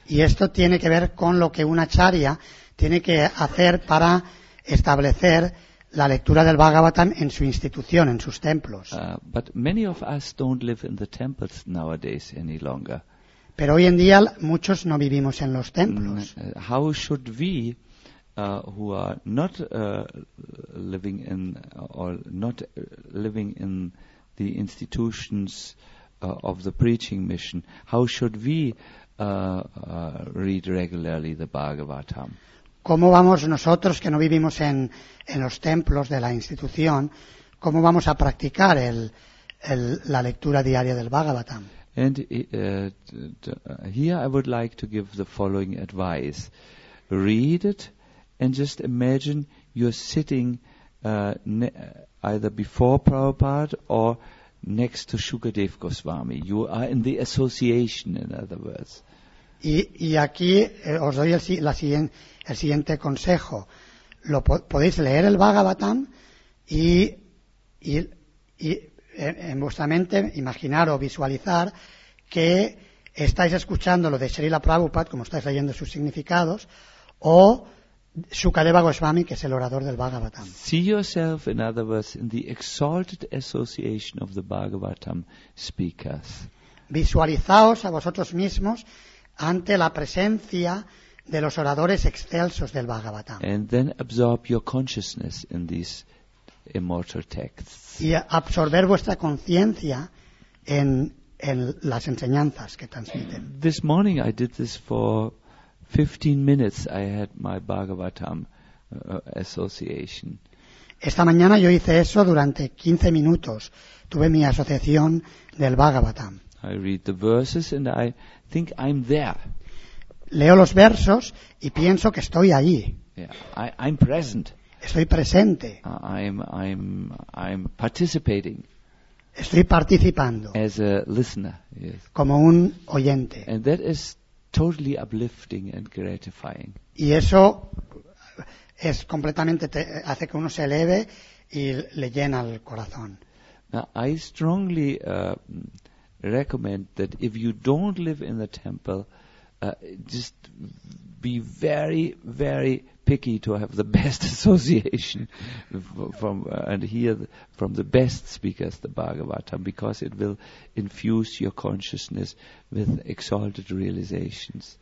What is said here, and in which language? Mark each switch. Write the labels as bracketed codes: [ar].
[es] Y esto tiene que ver con lo que un acharya tiene que hacer para establecer la lectura del Bhagavatam en su institución, en sus templos. [en] But many of us don't live in the temples nowadays any longer. [es] Pero hoy en día muchos no vivimos en los templos. [en] How should we, who are not living in or not living in the institutions of the preaching mission, how should we read regularly the Bhagavatam? [es] ¿Cómo vamos nosotros que no vivimos en los templos de la institución, cómo vamos a practicar la lectura diaria del Bhagavatam? [en] And here I would like to give the following advice. Read it and just imagine you're sitting either before Prabhupada or next to Shukadev Goswami. You are in the association, in other words. [es] Y aquí os doy el siguiente consejo. Podéis leer el Bhagavatam y en vuestra mente imaginar o visualizar que estáis escuchando lo de Srila Prabhupada, como estáis leyendo sus significados, o Shukadeva Goswami, que es el orador del Bhagavatam. [en] See yourself, in other words, in the exalted association of the Bhagavatam speakers. [es] Visualizaos a vosotros mismos ante la presencia de los oradores excelsos del Bhagavatam. [en] And then absorb your consciousness in these immortal texts. [es] Y absorber vuestra conciencia en las enseñanzas que transmiten. [en] This morning I did this for 15 minutes. I had my Bhagavatam association. [es] Esta mañana yo hice eso durante 15 minutos. Tuve mi asociación del Bhagavatam. [en] I read the verses and I think I'm there. [es] Leo los versos y pienso que estoy allí. [en] Yeah, I'm present. [es] Estoy presente. [en] I'm participating. [es] Estoy participando. [en] As a listener, yes. [es] Como un oyente. [en] And that is totally uplifting and gratifying. [es] Y eso es completamente hace que uno se eleve y le llena el corazón. [en] Now, I strongly recommend that if you don't live in the temple, just be very, very picky to have the best association from the best speakers, the Bhagavatam, because it will infuse your consciousness with exalted realizations.